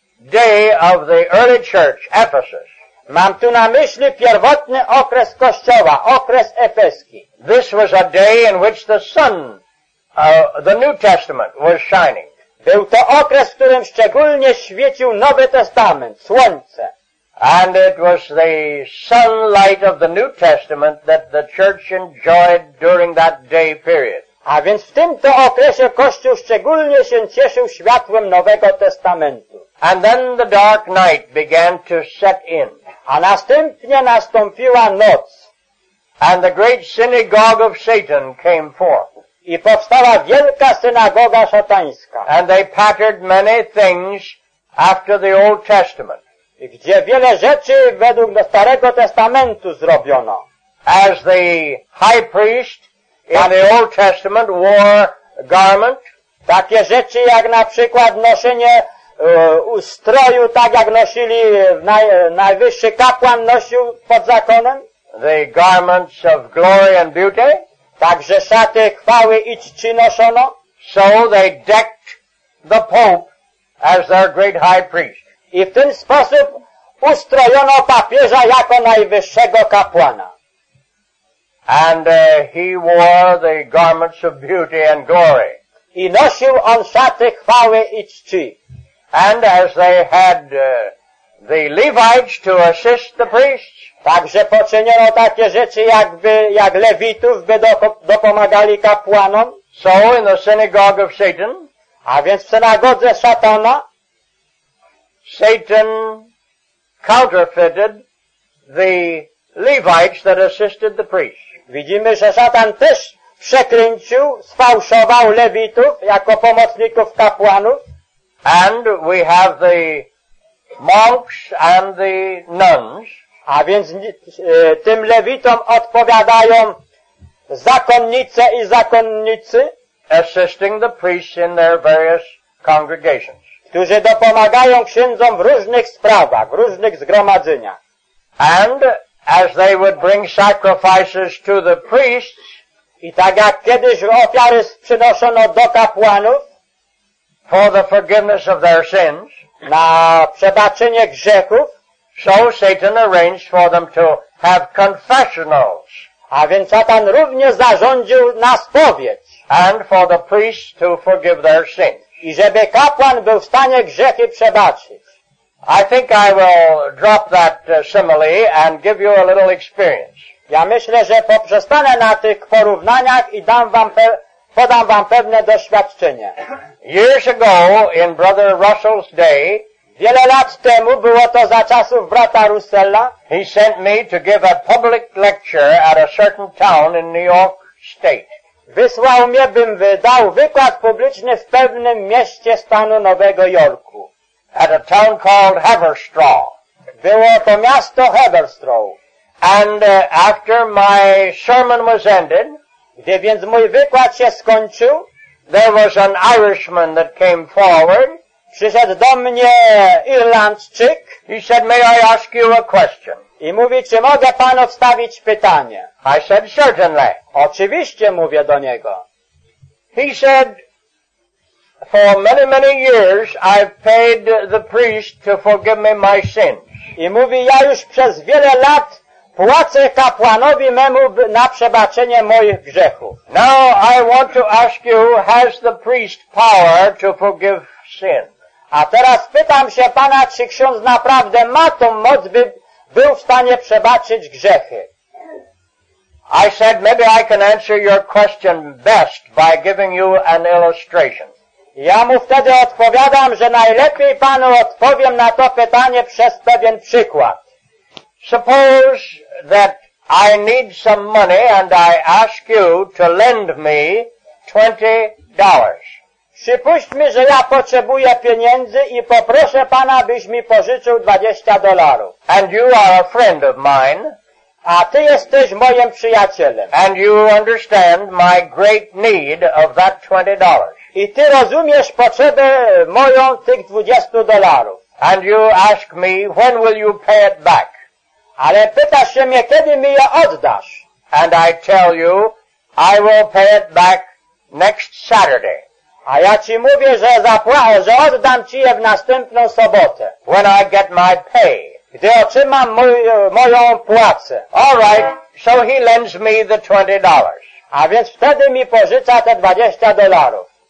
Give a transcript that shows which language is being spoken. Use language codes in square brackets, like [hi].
[en] Day of the early church, Ephesus. [pl] Mam tu na myśli pierwotny okres kościoła, okres efeski. [en] This was a day in which the sun, the New Testament was shining. [pl] Był to okres, w którym szczególnie świecił Nowy Testament, słońce. [en] And it was the sunlight of the New Testament that the church enjoyed during that day period. [pl] A więc w tym to okresie kościół szczególnie się cieszył światłem Nowego Testamentu. [en] And then the dark night began to set in. [pl] A następnie nastąpiła noc. [en] And the great synagogue of Satan came forth. [pl] I powstała wielka synagoga szatańska. [en] And they patterned many things after the Old Testament. [pl] I gdzie wiele rzeczy według Starego Testamentu zrobiono. [en] As the high priest in the Old Testament wore a garment. [pl] Takie rzeczy jak na przykład noszenie ustroju, tak jak nosili najwyższy kapłan nosił pod zakonem. [en] The garments of glory and beauty. [pl] Także szaty chwały i czci noszono. [en] So they decked the Pope as their great high priest. [pl] I w ten sposób ustrojono papieża jako najwyższego kapłana. [en] And he wore the garments of beauty and glory. [pl] I nosił on szaty chwały i czci. [en] And as they had the Levites to assist the priests. [pl] Także poczyniono takie rzeczy, jak Lewitów, by dopomagali kapłanom. [en] So in the synagogue of Satan. [pl] A więc w synagodze szatana. [en] Satan counterfeited the Levites that assisted the priests. [pl] Widzimy, że Satan też przekręcił, sfałszował Lewitów jako pomocników kapłanów. [en] And we have the monks and the nuns. [pl] A więc tym Lewitom odpowiadają zakonnice i zakonnicy. [en] Assisting the priests in their various congregations. [pl] Którzy dopomagają księdzom w różnych sprawach, w różnych zgromadzeniach. [en] And as they would bring sacrifices to the priests, [pl] i tak jak kiedyś ofiary przynoszono do kapłanów, [en] for the forgiveness of their sins, [pl] na przebaczenie grzechów, [en] so Satan arranged for them to have confessionals. [pl] A więc Satan również zarządził na spowiedź. [en] And for the priests to forgive their sins. [pl] I żeby kapłan był w stanie grzechy przebaczyć. [en] I think I will drop that simile and give you a little experience. [pl] Ja myślę, że poprzestanę na tych porównaniach i podam wam pewne doświadczenie. [en] Years ago, in Brother Russell's day, [pl] wiele lat temu, było to za czasów brata Russella, [en] he sent me to give a public lecture at a certain town in New York State. [pl] Wysłał mnie, bym wydał wykład publiczny w pewnym mieście stanu Nowego Jorku. [en] At a town called Haverstraw. [pl] Było to miasto Haverstraw. [en] And after my sermon was ended, [pl] gdy więc mój wykład się skończył, [en] there was an Irishman that came forward. [pl] Przyszedł do mnie Irlandczyk. [en] He said, may I ask you a question? [pl] I mówi, czy mogę panu wstawić pytanie? [en] I said, certainly. [pl] Oczywiście, mówię do niego. [en] He said, for many, many years I've paid the priest to forgive me my sins. [pl] I mówi, ja już przez wiele lat płacę kapłanowi memu na przebaczenie moich grzechów. [en] Now I want to ask you, has the priest power to forgive sin? [pl] A teraz pytam się pana, czy ksiądz naprawdę ma tą moc, by był w stanie przebaczyć grzechy. [en] I said, maybe I can answer your question best by giving you an illustration. [pl] Ja mu wtedy odpowiadam, że najlepiej panu odpowiem na to pytanie przez pewien przykład. [en] Suppose that I need some money and I ask you to lend me $20. [pl] Przypuśćmy, że ja potrzebuję pieniędzy i poproszę pana, byś mi pożyczył $20. [en] And you are a friend of mine. [pl] A ty jesteś moim przyjacielem. [en] And you understand my great need of that $20. [pl] I ty rozumiesz potrzebę moją tych $20. [en] And you ask me, when will you pay it back? [pl] Ale pytasz się mnie, kiedy mi je oddasz? [en] And I tell you, I will pay it back next Saturday. [pl] A ja ci mówię, że zapłacę, że oddam ci je w następną sobotę. [en] When I get my pay. [pl] Gdy otrzymam moją płacę. [en] All right, so he lends me the $20. [pl] A więc wtedy mi pożycza te $20.